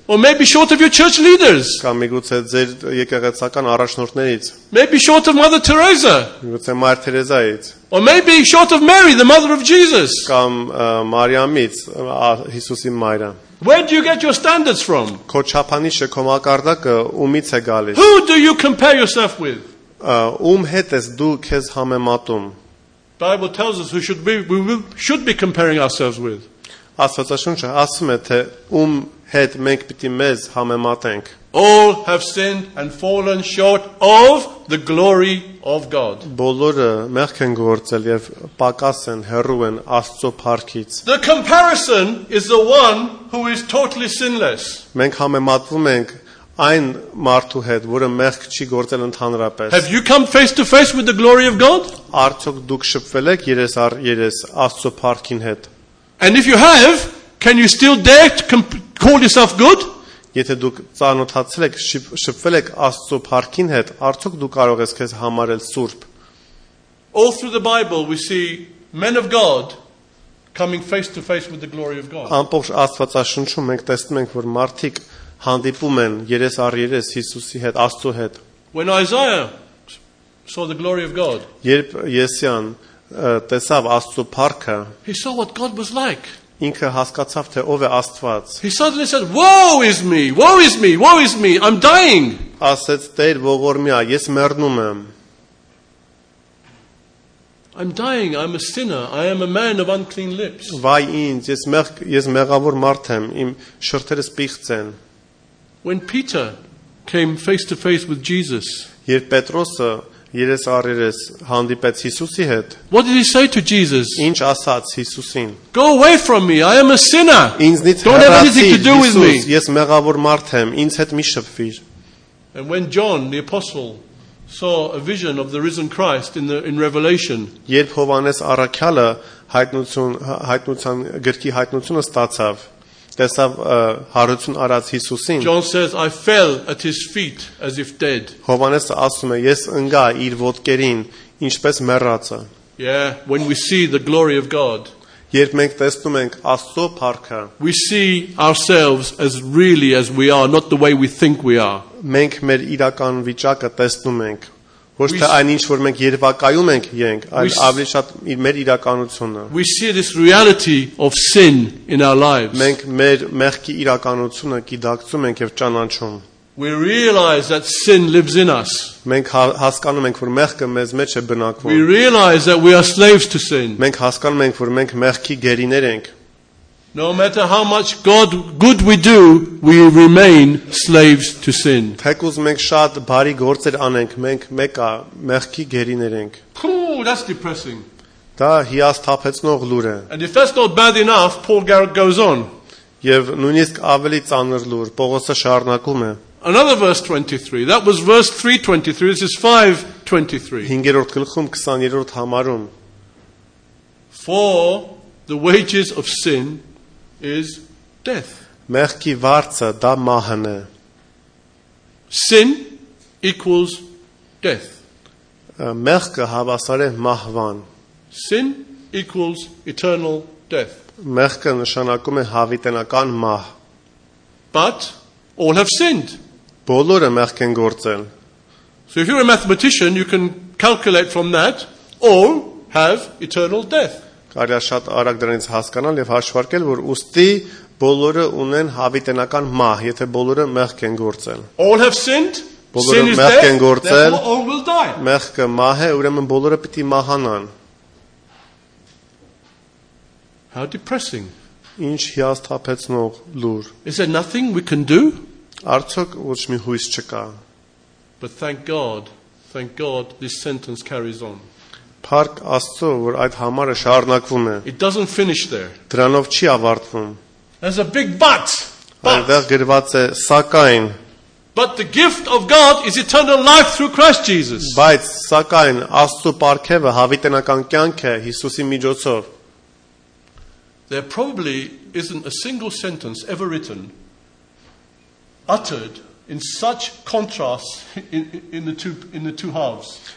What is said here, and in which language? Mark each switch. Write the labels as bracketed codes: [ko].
[en] Or maybe short of your church leaders? [hy] Կամ միգուցե ձեր եկեղեցական առաջնորդներից? [en] Maybe short of Mother Teresa? [hy] Միգուցե Մայր Թերեզայից? [en] Or maybe short of Mary, the mother of Jesus? [hy] Կամ Մարիամից, Հիսուսի մայրը? [en] Where do you get your standards from? [hy] Քո չափանիշը, քո մակարդակը ումից է գալիս? [en] Who do you compare yourself with? [hy] Ում հետ ես դու քեզ համեմատում? [en] Bible tells us who should be we should be comparing ourselves with. [hy] Աստվածաշունչը ասում է, թե ում հետ մենք պիտի մեզ համեմատենք. [en] All have sinned and fallen short of the glory of God. [hy] Բոլորը մեղք են գործել եւ պակաս են, հեռու են Աստծո փառքից. [en] The comparison is the one who is totally sinless. [hy] Մենք համեմատվում ենք այն մարդու հետ, որը մեղք չի գործել ընդհանրապես. [en] Have you come face to face with the glory of God? [hy] Արդյոք դուք շփվել եք երես առ երես Աստծո փառքին հետ? [en] And if you have, can you still dare to call yourself good? [hy] Եթե դուք ծանոթացել եք, շփվել եք Աստծո փառքին հետ, արդյոք դու կարող ես քեզ համարել սուրբ? [en] All through the Bible we see men of God coming face to face with the glory of God. [hy] Ամբողջ Աստվածաշնչում մենք տեսնում ենք, որ մարդիկ հանդիպում են երես առ երես Հիսուսի հետ, Աստծո հետ. [en] When Isaiah saw the glory of God. [hy] Երբ Եսայան տեսավ Աստծո փառքը. [en] He saw what God was like. [hy] Ինքը հասկացավ, թե ով է Աստված. [en] He suddenly said, "Woe is me! Woe is me! Woe is me! I'm dying." [hy] Ասաց Տեր, ողորմյա, ես մեռնում եմ. [en] I'm dying. I'm a sinner. I am a man of unclean lips. [hy] Վայ ինձ, ես մեղավոր մարդ եմ, իմ շրթերը սպիղծ են. [en] When Peter came face to face with Jesus. [hy] Երբ Պետրոսը երես առ երես հանդիպեց Հիսուսի հետ. [en] What did he say to Jesus? [hy] Ինչ ասաց Հիսուսին. [en] Go away from me. I am a sinner. [hy] Ինձնից հեռացի, [en] Don't have anything to do with me. [hy] Ես մեղավոր մարդ եմ, ինձ հետ մի շփվիր. [en] And when John the apostle saw a vision of the risen Christ in Revelation. [hy] Երբ Հովանես առաքյալը հայտնության գրքի հայտնությունը ստացավ, տեսավ հառություն առած Հիսուսին. [en] John says I fell at his feet as if dead. [hy] Հովանեսը ասում է, ես ընկա իր ոտքերին, ինչպես մեռածը. [en] Yeah, when we see the glory of God. [hy] Երբ մենք տեսնում ենք Աստծո փառքը. [en] We see ourselves as really as we are, not the way we think we are. [hy] Մենք մեր իրական վիճակը տեսնում ենք, ոչ թե այն ինչ որ մենք երևակայում ենք իրենք, այլ ավելի շատ մեր իրականությունը։ [en] We see this reality of sin in our lives. [hy] Մենք մեր մեղքի իրականությունը գիտակցում ենք եւ ճանաչում։ [en] We realize that sin lives in us. [hy] Մենք հասկանում ենք, որ մեղքը մեզ մեջ է բնակվում։ [en] We realize that we are slaves to sin. [hy] Մենք հասկանում ենք, որ մենք մեղքի գերիներ ենք։ [en] No matter how much God good we do, we remain slaves to sin. [hy] Թեկուզ մենք շատ բարի գործեր անենք, մենք մեկա մեղքի գերիներ ենք։ [en] That's depressing. [hy] Դա հիասթափեցնող լուր է։ [en] And if that's not bad enough, Paul Garrett goes on. [hy] Եվ նույնիսկ ավելի ծանր լուր, Պողոսը շարնակում է. [en] Another verse 23. That was verse 3:23. This is 5:23. [hy] 5-րդ գլխում 23-րդ համարում. [en] For the wages of sin is death. [hy] Մեղքի վարձը դա մահն է. [en] Sin equals death. [hy] Մեղքը հավասար է մահվան. [en] Sin equals eternal death. [hy] Մեղքը նշանակում է հավիտենական մահ. [en] But all have sinned. [hy] Բոլորը մեղք են գործել. [en] So if you're a mathematician, you can calculate from that all have eternal death. [hy] Կարելի է շատ արագ դրանից հասկանալ եւ հաշվարկել, որ ուստի բոլորը ունեն հավիտենական մահ, եթե բոլորը մեղք են գործել. [en] All have sinned. [hy] Բոլորը մեղք են գործել. [en] All will die. [hy] Մեղքը մահ է, ուրեմն բոլորը պիտի մահանան. [en] How depressing. [hy] Ինչ հիասթափեցնող լուր. [en] Is there nothing we can do? [hy] Արդյոք ոչ մի հույս չկա։ [en] But thank God this sentence carries on. [hy] Փառք Աստծո, որ այդ համարը շարունակվում է։ [en] It doesn't finish there. [hy] Դրանով չի ավարտվում։ [en] There's a big but. [hy] Այնտեղ գրված է սակայն։ [en] But the gift of God is eternal life through Christ Jesus. [hy] Բայց սակայն Աստծո պարգևը հավիտենական կյանք է Հիսուսի միջոցով։ [en] There probably isn't a single sentence ever written uttered in such contrast in the two halves.